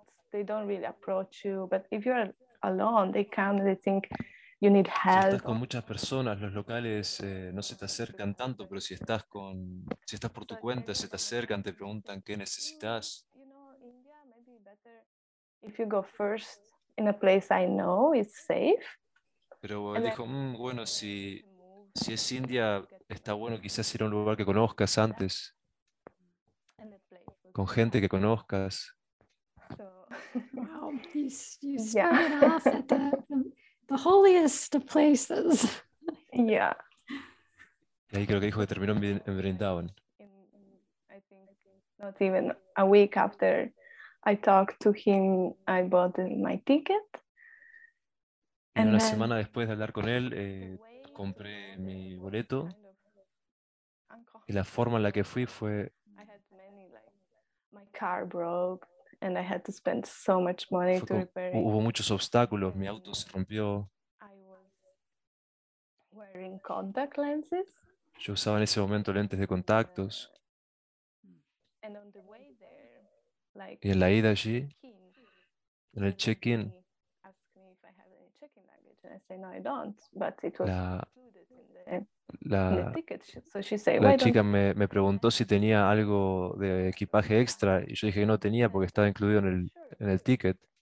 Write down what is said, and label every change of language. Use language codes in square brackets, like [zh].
[en] They don't really approach you, but if you're alone, they come and they think you need help. [es] Si estás con muchas personas, los locales no se te acercan tanto, pero si estás por tu cuenta, se te acercan, te preguntan qué necesitas. [en] You know, India, maybe better if you go first in a place I know is safe. [es] Pero dijo, bueno, si es India, está bueno quizás ir a un lugar que conozcas antes, con gente que conozcas. [en] Wow, you started off at the holiest of places. Yeah. [es] Y ahí creo que dijo que terminó en Vrindavan. [en] I think not even a week after I talked to him, I bought my ticket. [es] Y una semana después de hablar con él, compré mi boleto. Y la forma en la que fui fue... [en] I had many, my car broke. And I had to spend so much money to repair it. [es] Hubo muchos obstáculos, mi auto se rompió. [en] I was wearing contact lenses. [es] Yo usaba en ese momento lentes de contactos. [en] And on the way there, [es] y en la ida allí, en el check-in, [en] asked me if I have any check-in luggage, and I said no, I don't. But it was included in the ticket. So she said, [es] la chica me preguntó si tenía algo de equipaje extra y yo dije que no tenía porque estaba incluido en el ticket.